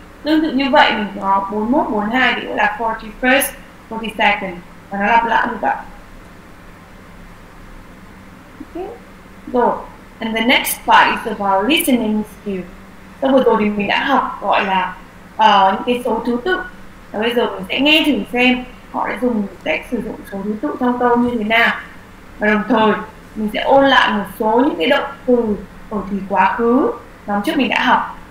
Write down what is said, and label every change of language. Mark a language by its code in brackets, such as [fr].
[vi] Tương tự như vậy mình có 41, 42 thì cũng là 41st, 42nd. Và nó lặp lại như vậy. [en] Okay. [vi] Rồi, [en] and the next part is about listening skills. [vi] Sau vừa rồi thì mình đã học gọi là những cái số thứ tự. Và bây giờ mình sẽ nghe thử xem họ đã dùng cách sử dụng số thứ tự trong câu như thế nào. Và đồng thời mình sẽ ôn lại một số những cái động từ ở thì quá khứ nhóm trước mình đã học.